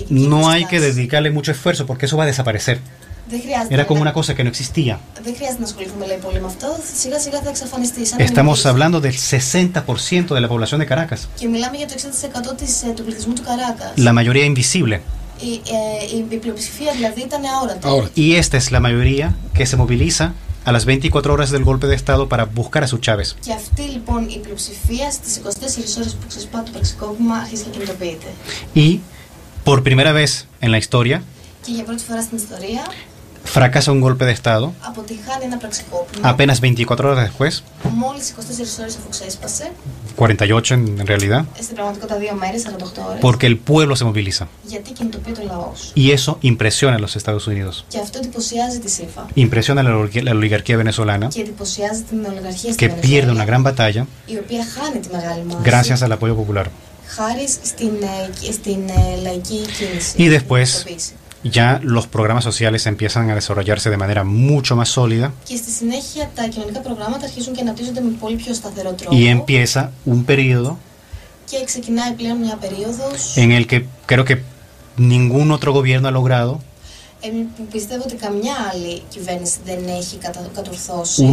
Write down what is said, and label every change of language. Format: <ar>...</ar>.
<es>no hay que dedicarle mucho esfuerzo porque eso va a desaparecer. Era como una cosa que no existía.</es> <el>Δεν χρειάζεται να ασχοληθούμε λέει πολύ με αυτό. Σιγά σιγά θα εξαφανιστεί.</el> <es>Estamos hablando del 60% de la población de Caracas.</es> <el>Και μιλάμε για το 60% του πληθυσμού του Caracas.</el> <es>La mayoría invisible.</es> <el>Η πλειοψηφία δηλαδή ήταν αόρατη.</el> <es>Y esta es la mayoría que se moviliza a las 24 horas del golpe de Estado para buscar a su Chávez.</es> <el>Και αυτή λοιπόν η πλειοψηφία στις 24 ώρες που ξεσπά το πραξικόπημα αρχίζει να κινητοποιείται.</el> <es>Y por primera vez en la historia.</es> <el>Και για πρώτη φορά στην ιστορία.</el> <es>Fracasa un golpe de Estado.</es> <el>Αποτυχάνει ένα πραξικόπημα.</el> <es>Apenas 24 horas después.</es> <el>Μόλις 24 ώρες αφού ξέσπασε.</el> <es>48 en realidad.</es> <el>Στην πραγματικότητα 2 μέρες, 48 ώρες.</el> <es>Porque el pueblo se moviliza.</es> <el>Γιατί κινητοποιεί το λαός.</el> <es>Y eso impresiona a los Estados Unidos.</es> <el>Και αυτό εντυπωσιάζει τη ΣΥΦΑ.</el> <es>Impresiona a la oligarquía venezolana.</es> <el>Και εντυπωσιάζει την ολιγαρχία στην Venezuela.</el> <es>Que pierde una gran batalla.</es> <el>Η οποία χάνει τη μεγάλη μάχη.</el> <es>Gracias al apoyo popular.</es> <el>Χάρης στην λαϊκή κίνηση.</el> <es>Y después. Ya los programas sociales empiezan a desarrollarse de manera mucho más sólida.</es> <el>Και στη συνέχεια τα κοινωνικά προγράμματα αρχίζουν και αναπτύσσονται με πολύ πιο σταθερό τρόπο.</el> <es>Y empieza un periodo.</es> <el>Και ξεκινάει πλέον μια περίοδος.</el> <es>En el que creo que ningún otro gobierno ha logrado.</es> <el>Πιστεύω ότι καμιά άλλη κυβέρνηση δεν έχει κατορθώσει.</el>